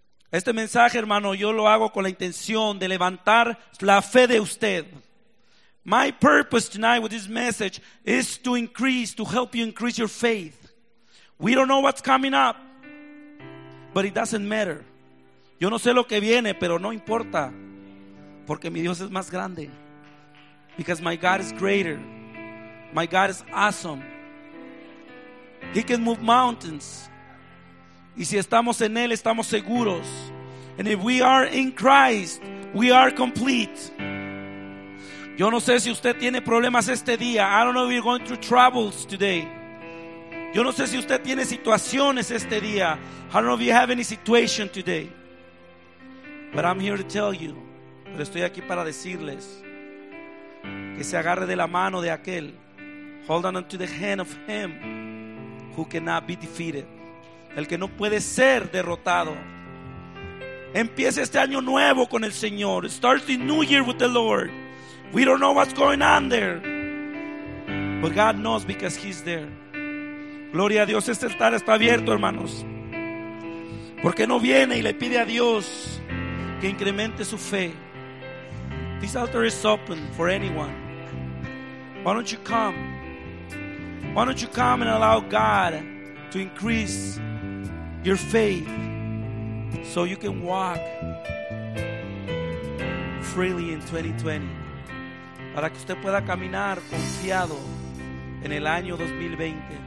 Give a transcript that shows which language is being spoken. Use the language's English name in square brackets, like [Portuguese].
[Spanish] Este mensaje, hermano, yo lo hago con la intención de levantar la fe de usted. [English] My purpose tonight with this message is to help you increase your faith. We don't know what's coming up, but it doesn't matter. [Spanish] Yo no sé lo que viene, pero no importa, porque mi Dios es más grande. [English] Because my God is greater. My God is awesome. He can move mountains. [Spanish] Y si estamos en Él, estamos seguros. [English] And if we are in Christ, we are complete. [Spanish] Yo no sé si usted tiene problemas este día. [English] I don't know if you're going through troubles today. [Spanish] Yo no sé si usted tiene situaciones este día. [English] I don't know if you have any situation today. But I'm here to tell you. [Spanish] Pero estoy aquí para decirles que se agarre de la mano de aquel. [English] Hold on to the hand of him who cannot be defeated. [Spanish] El que no puede ser derrotado. Empiece este año nuevo con el Señor. [English] Start the new year with the Lord. We don't know what's going on there. But God knows because He's there. [Spanish] Gloria a Dios. Este altar está abierto, hermanos. ¿Por qué no viene y le pide a Dios que incremente su fe? [English] This altar is open for anyone. Why don't you come? Why don't you come and allow God to increase your faith so you can walk freely in 2020? [Spanish] Para que usted pueda caminar confiado en el año 2020.